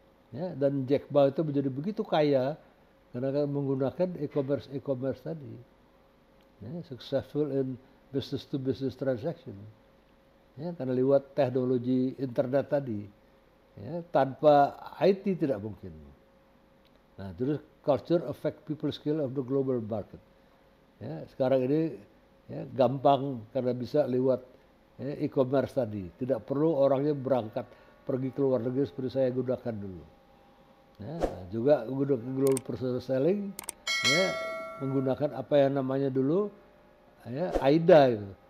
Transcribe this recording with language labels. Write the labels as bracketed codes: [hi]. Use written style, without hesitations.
[id] Ya, dan Jack Ma itu menjadi begitu kaya karena menggunakan e-commerce tadi. Ya, [en] successful in business to business transaction. [id] Ya, karena lewat teknologi internet tadi. Ya, tanpa IT tidak mungkin. Nah, terus [en] culture affect people skill of the global market. [id] Ya, sekarang ini ya, gampang karena bisa lewat ya, e-commerce tadi. Tidak perlu orangnya berangkat pergi ke luar negeri seperti saya gunakan dulu. Ya, juga menggunakan global personal selling, ya, menggunakan apa yang namanya dulu ya, AIDA, itu.